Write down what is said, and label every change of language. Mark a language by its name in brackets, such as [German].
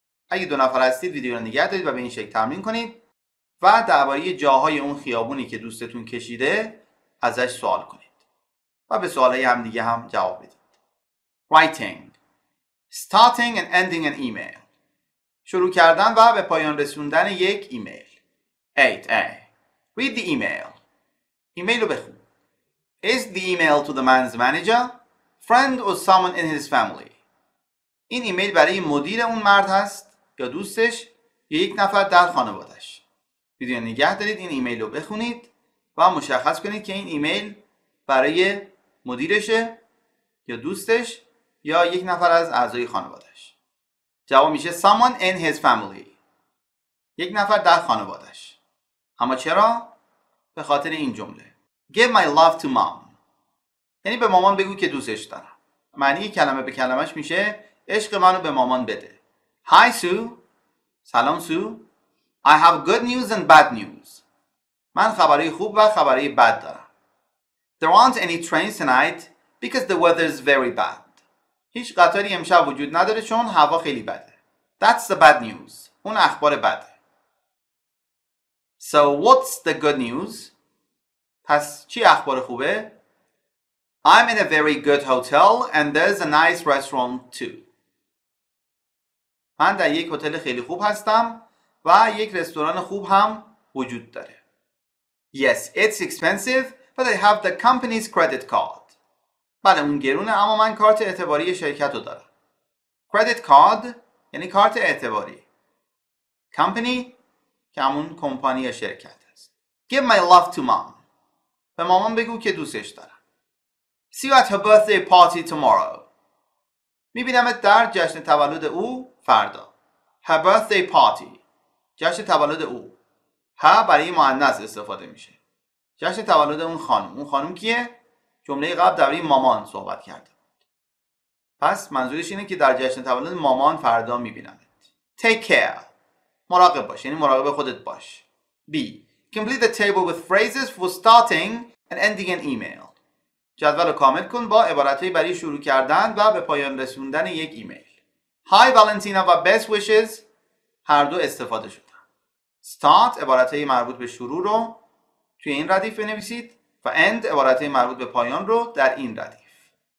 [Persian] اگه دو نفر هستید ویدیو رو نگه دارید و به این شکل تمرین کنید و درباره جاهای اون خیابونی که دوستتون کشیده ازش سوال کنید و به سوالای هم دیگه هم جواب بدید. [English] Writing Starting and ending an email. [Persian] شروع کردن و به پایان رسوندن یک ایمیل. [English] 8A Read the email. [Persian] ایمیل رو بخون. [English] Is the email to the man's manager, friend or someone in his family? [Persian] این ایمیل برای مدیر اون مرد هست یا دوستش یا یک نفر در خانوادش. ویدیو نگه دارید این ایمیل رو بخونید و مشخص کنید که این ایمیل برای مدیرشه یا دوستش یا یک نفر از اعضای خانوادش. جواب میشه [English] someone in his family. [Persian] یک نفر در خانوادش. اما چرا؟ به خاطر این جمله. [English] Give my love to mom. [Persian] یعنی به مامان بگو که دوستش دارم. معنی کلمه به کلمش میشه عشق منو به مامان بده. [English] Hi Sue. [Persian] سلام [English] Sue. I have good news and bad news. [Persian] من خبرهای خوب و خبرهای بد دارم. [English] There aren't any trains tonight because the weather is very bad. [Persian] هیچ قطاری امشب وجود نداره چون هوا خیلی بده. [English] That's the bad news. [Persian] اون اخبار بده. [English] So what's the good news? [Persian] پس چی اخبار خوبه؟ [English] I'm in a very good hotel and there's a nice restaurant too. [Persian] من در یک هتل خیلی خوب هستم و یک رستوران خوب هم وجود داره. [English] Yes, it's expensive, but I have the company's credit card. [Persian] بله اون گرونه اما من کارت اعتباری شرکت رو دارم. Credit card یعنی کارت اعتباری. Company که همون کمپانی یا شرکت هست. [English] Give my love to mom. [Persian] به مامان بگو که دوستش دارم. [English] See you at her birthday party tomorrow. [Persian] میبینمت در جشن تولد او فردا. [English] Her birthday party. [Persian] جشن تولد او. Her برای مؤنث استفاده میشه. جشن تولد اون خانم. اون خانم کیه؟ جمله قبل در مامان صحبت کرده. پس منظورش اینه که در جشن تولد مامان فردا میبینمت. [English] Take care. [Persian] مراقب باش یعنی مراقب خودت باش. [English] B. Complete the table with phrases for starting and ending an email. [Persian] جدول رو کامل کن با عبارتهای برای شروع کردن و به پایان رسوندن یک ایمیل. Hi Valentina و best wishes هر دو استفاده شدن. Start عبارتهای مربوط به شروع رو توی این ردیف بنویسید و end عبارتهای مربوط به پایان رو در این ردیف.